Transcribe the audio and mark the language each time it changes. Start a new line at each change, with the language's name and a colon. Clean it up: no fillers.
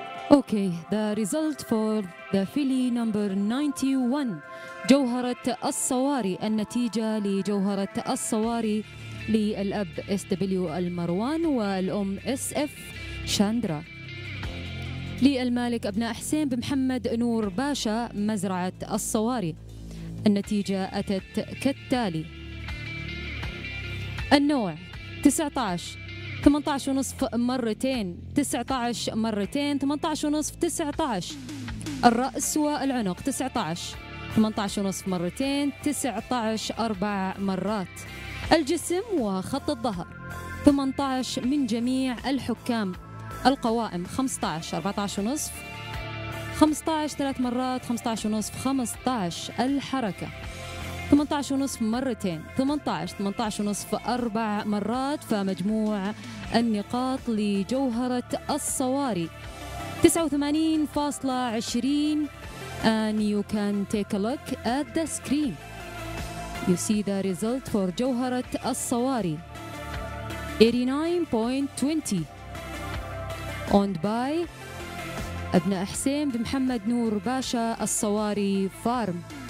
English: Okay, the result for the filly number 91, جوهرة الصواري.
Arabic: النتيجة لجوهرة الصواري للأب SW المروان والأم SF شاندرا. للمالك أبناء حسين بمحمد نور باشا مزرعة الصواري. النتيجة أتت كالتالي: النوع 19 18.5 مرتين 19 مرتين 18.5 19. الرأس والعنق 19 18.5 مرتين 19 4 مرات. الجسم وخط الظهر 18 من جميع الحكام. القوائم 15 14.5 15 3 مرات 15.5 15. الحركة 18.5 مرتين 18 18.5 4 مرات. فمجموع النقاط لجوهرة الصواري 89.20.
English: and you can take a look at the screen, you see the result for جوهرة الصواري 89.20 owned by ابناء حسين بمحمد نور باشا الصواري فارم.